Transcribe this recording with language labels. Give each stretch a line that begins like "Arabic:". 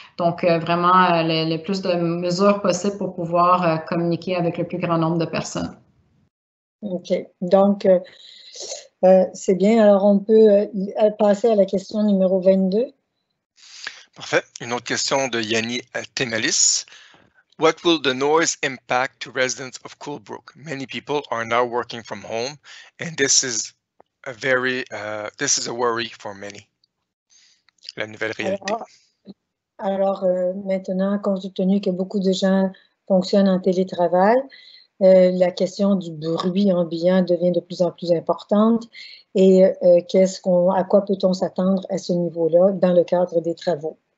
French: Donc, vraiment, le plus de mesures possibles pour pouvoir communiquer avec le plus grand nombre de personnes. OK. Donc, c'est bien. Alors, on peut passer à la question numéro 22. Parfait. Une autre question de Yanni Temelis.
English: What will the noise impact to residents of Coolbrook? Many people are now working from home, and this is a very this is a worry for many.
French: La nouvelle réalité. Alors maintenant, compte tenu que beaucoup de gens fonctionnent en télétravail, la question du bruit ambiant devient de plus en plus importante. Et à quoi peut-on s'attendre à ce niveau-là dans le cadre des travaux?